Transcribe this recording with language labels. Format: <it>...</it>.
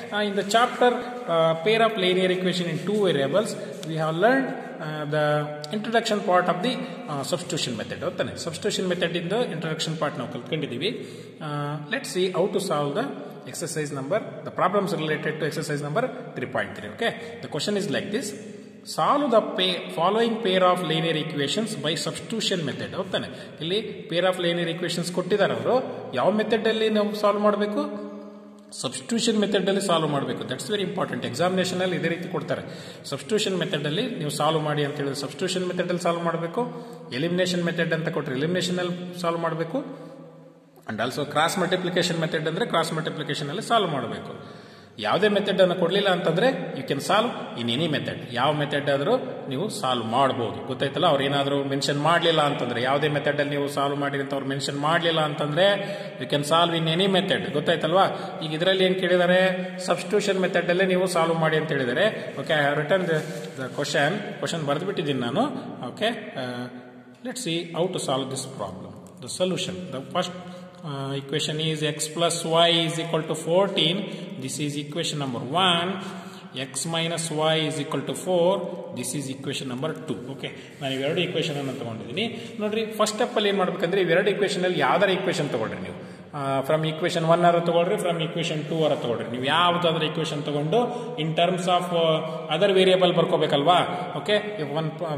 <en>In the chapter pair of linear equation in two variables, we have learned the introduction part of the substitution method. Substitution method in the introduction part now</en> <kn>kalkondidivi.</kn> <en>Let's see how to solve the exercise number, the problems related to exercise number 3.3. Okay. The question is like this. Solve the following pair of linear equations by substitution method.</en> <kn>ಓದ್ತಾನೆ ಇಲ್ಲಿ pair of ಲೈನಿಯರ್ equations ಕೊಟ್ಟಿದ್ದಾರೆ ಅವರು ಯಾವ method ಅಲ್ಲಿ ನಾವು solve ಮಾಡಬೇಕು substitution method ಅಲ್ಲಿ solve ಮಾಡಬೇಕು</kn> <en>that's very important</en> <kn>ಎಕ್ಸಾಮಿನೇಷನ್ ಅಲ್ಲಿ ಇದೇ ರೀತಿ ಕೊಡ್ತಾರೆ ಸಬ್ಸ್ಟಿಟ್ಯೂಷನ್ ಮೆಥಡ್ ಅಲ್ಲಿ ನೀವು ಸಾಲ್ವ್ ಮಾಡಿ ಅಂತ ಹೇಳಿದ್ರೆ ಸಬ್ಸ್ಟಿಟ್ಯೂಷನ್ ಮೆಥಡ್ ಅಲ್ಲಿ ಸಾಲ್ವ್ ಮಾಡಬೇಕು ಎಲಿಮಿನೇಷನ್ ಮೆಥಡ್ ಅಂತ ಕೊಟ್ಟರೆ ಎಲಿಮಿನೇಷನ್ ಅಲ್ಲಿ ಸಾಲ್ವ್ ಮಾಡಬೇಕು</kn> <en>and also</en> <kn>cross multiplication method ಅಂದ್ರೆ ಕ್ರಾಸ್ ಮಲ್ಟಿಪ್ಲಿಕೇಶನ್ ಅಲ್ಲಿ ಸಾಲ್ವ್ ಮಾಡಬೇಕು ಯಾವುದೇ ಮೆಥಡ್ ಅನ್ನು ಕೊಡಲಿಲ್ಲ ಅಂತಂದ್ರೆ</kn> <en>you can solve in any method</en> <kn>ಯಾವ ಮೆಥಡ್ ಆದರೂ ನೀವು ಸಾಲ್ವ್ ಮಾಡಬಹುದು ಗೊತ್ತಾಯ್ತಲ್ಲ ಅವ್ರು ಏನಾದರೂ ಮೆನ್ಷನ್ ಮಾಡಲಿಲ್ಲ ಅಂತಂದ್ರೆ ಯಾವುದೇ ಮೆಥಡ್ ಅಲ್ಲಿ ನೀವು ಸಾಲ್ವ್ ಮಾಡಿರಿ ಅಂತ ಅವ್ರು ಮೆನ್ಷನ್ ಮಾಡಲಿಲ್ಲ ಅಂತಂದ್ರೆ you can solve in any method ಗೊತ್ತಾಯ್ತಲ್ವಾ ಈಗ ಇದರಲ್ಲಿ ಏನ್ ಕೇಳಿದ್ದಾರೆ ಸಬ್ಸ್ಟಿಟ್ಯೂಷನ್ ಮೆಥಡ್ ಅಲ್ಲೇ ನೀವು ಸಾಲ್ವ್ ಮಾಡಿ ಅಂತ ಹೇಳಿದರೆ</kn> <en>okay I have written the question question</en> <kn>ಬರೆದ್ಬಿಟ್ಟಿದ್ದೀನಿ ನಾನು</kn> <en>Okay let's see how to solve this problem the solution the first equation is x plus y is equal to 14. This is equation number 1. X minus y is equal to 4. This is equation number 2. Okay.</en> <kn>ನಾನು ಇವೆರಡು equation ಅನ್ನು ತಗೊಂಡಿದ್ದೀನಿ ನೋಡ್ರಿ first step ಅಲ್ಲಿ ಏನ್ ಮಾಡ್ಬೇಕಂದ್ರೆ ಇವೆರಡು equation ಅಲ್ಲಿ ಯಾವ್ದಾರ ಇಕ್ವೇಷನ್ ತಗೊಳ್ರಿ ನೀವು ಫ್ರಮ್ ಇಕ್ವೇಷನ್ 1 ಆರ ತಗೊಳ್ರಿ ಫ್ರಮ್ ಇಕ್ವೇಷನ್ 2 ಆರ ತಗೊಳ್ರಿ ನೀವು ಯಾವ್ದಾದ್ರೂ ಇಕ್ವೇಷನ್ ತಗೊಂಡು</kn> <en>in terms of other variable</en> <kn>ಬರ್ಕೋಬೇಕಲ್ವಾ okay one</kn>